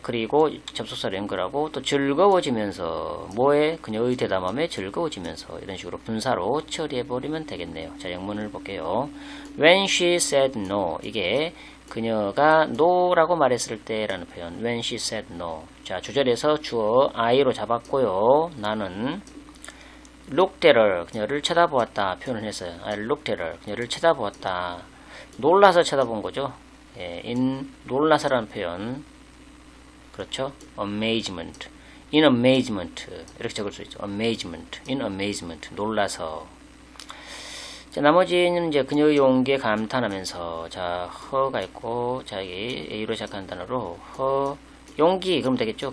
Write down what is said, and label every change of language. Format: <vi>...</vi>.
<ko>그리고 접속사를 연결하고, 또 즐거워지면서, 뭐에? 그녀의 대담함에 즐거워지면서. 이런 식으로 분사로 처리해버리면 되겠네요. 자, 영문을 볼게요.</ko> <en>When she said no.</en> <ko>이게 그녀가 no라고 말했을 때라는 표현.</ko> <en>When she said no.</en> <ko>자, 주절에서 주어 I로 잡았고요. 나는</ko> <en>looked at her.</en> <ko>그녀를 쳐다보았다. 표현을 했어요.</ko> <en>I looked at her.</en> <ko>그녀를 쳐다보았다. 놀라서 쳐다본 거죠. 예, in 놀라서라는 표현 그렇죠?</ko> <en>amazement in amazement</en> <ko>이렇게 적을 수 있죠.</ko> <en>amazement in amazement</en> <ko>놀라서 자, 나머지는 이제 그녀의 용기에 감탄하면서 자, her가 있고 자, 여기 A로 시작하는 단어로 her 용기 그럼 되겠죠?</ko>